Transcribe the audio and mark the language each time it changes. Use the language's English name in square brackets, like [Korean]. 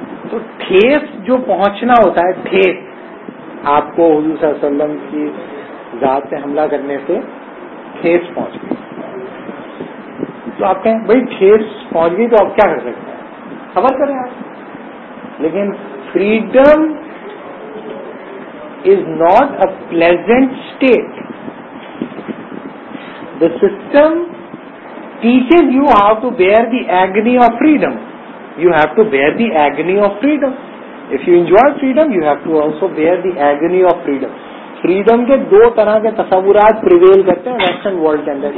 [Urdu] تو ٹھیس جو پہنچنا ہوتا ہے, ٹھیس آپ کو حضور صلی اللہ علیہ وسلم کی ذات سے حملہ کرنے سے ٹھیس پہنچ گئی, تو آپ کہیں بھائی ٹھیس پہنچ گئی تو آپ کیا کر سکتے ہیں, خبر کریں آپ. لیکن [English] Freedom is not a pleasant state. The system teaches you how to bear the agony of freedom. You have to bear the agony of freedom. If you enjoy freedom, you have to also bear the agony of freedom. [Urdu] Freedom کے دو طرح کے تصورات prevail کرتے ہیں western world کے اندر.